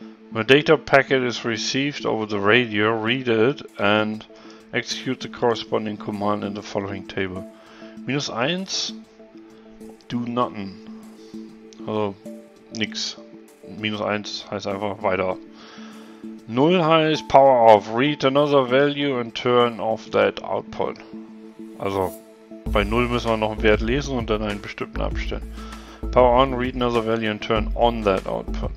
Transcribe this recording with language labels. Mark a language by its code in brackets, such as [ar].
[en] When a data packet is received over the radio, read it and execute the corresponding command in the following table. Minus 1, do nothing. [de] Also, nix. Minus 1 heißt einfach weiter. 0 heißt Power off. [en] Read another value and turn off that output. [de] Also bei 0 müssen wir noch einen Wert lesen und dann einen bestimmten abstellen. [en] Power on. Read another value and turn on that output.